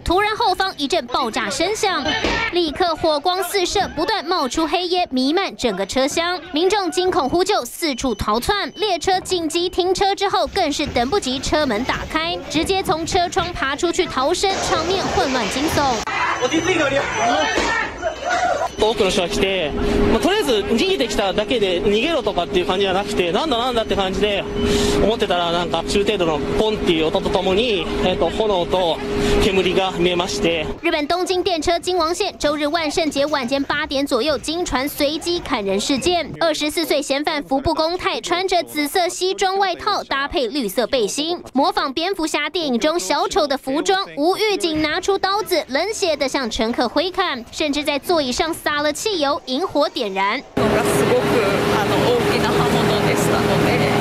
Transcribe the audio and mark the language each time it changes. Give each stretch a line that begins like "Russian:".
Chinese: 突然后方一阵爆炸声响，立刻火光四射，不断冒出黑烟，弥漫整个车厢。民众惊恐呼救，四处逃窜。列车紧急停车之后，更是等不及车门打开，直接从车窗爬出去逃生，场面混乱惊悚。
Japanese: 多くの人が来て、まあ、とりあえず逃げてきただけで逃げろとかっていう感じじゃなくて、なんだなんだって感じで思ってたら、なんか中程度のポンっていう音とともに、炎と煙が見えまして。
Chinese: 日本東京電車京王線、周日万圣节晚间8点左右、经传随机砍人事件。 24岁嫌犯服部公太，穿着紫色西装外套搭配绿色背心，模仿蝙蝠侠电影中小丑的服装，无预警拿出刀子，冷血的向乘客挥砍，甚至在座椅上撒了汽油，引火点燃。
Japanese: すごく大きな刃物でしたので。